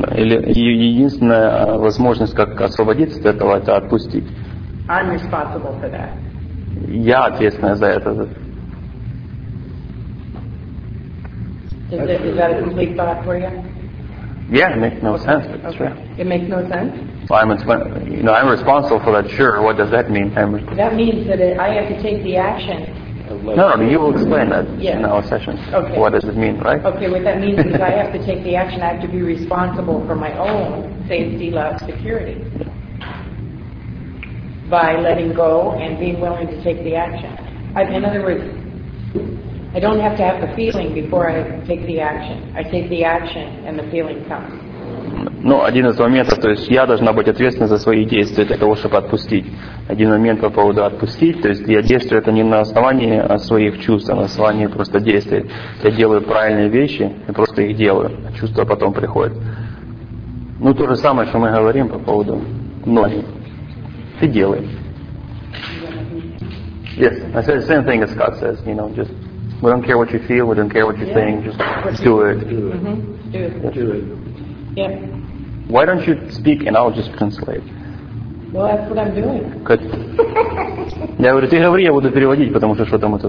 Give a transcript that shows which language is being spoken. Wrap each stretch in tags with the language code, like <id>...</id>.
<ru>Единственная возможность, как освободиться от этого, это отпустить.</ru> <en>I'm responsible for that.</en> <ru>Я ответственная за это.</ru> <en>Yeah, it makes no sense. That's true. It makes no sense. Well, I'm responsible for that. Sure. What does that mean? That means that I have to take the action. No, you will explain that in our session. Okay. What does it mean, right? Okay. What that means is I have to take the action. I have to be responsible for my own safety, love, security by letting go and being willing to take the action. In other words, I don't have to have the feeling before I take the action. I take the action and the feeling comes.</en> <ru>Ну, один из моментов, то есть я должна быть ответственна за свои действия для того, чтобы отпустить. Один момент по поводу отпустить, то есть я действую это не на основании своих чувств, а на основании просто действий. Я делаю правильные вещи, я просто их делаю. Чувства потом приходят. Ну, то же самое, что мы говорим по поводу ноги. Ты делай.</ru> <en>Yes, I said the same thing as Scott says, you know, just... We don't care what you feel, we don't care what you're saying, just do it. Do it. Mm-hmm. Do it. Why don't you speak and I'll just translate? Well, that's what I'm doing. Good.</en> <ru>Я говорю, ты говори, я буду переводить, потому что что там это...</ru>